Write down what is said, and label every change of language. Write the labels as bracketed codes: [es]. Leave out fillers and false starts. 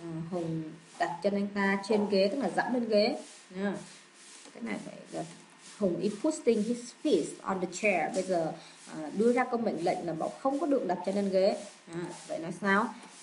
[vi] Hùng đặt chân anh ta trên ghế, tức là dẫm lên ghế. Cái này phải gần. [en] Hùng is putting his feet on the chair. [vi] Bây giờ đưa ra câu mệnh lệnh là bảo không có được đặt chân lên ghế. Vậy nói sao?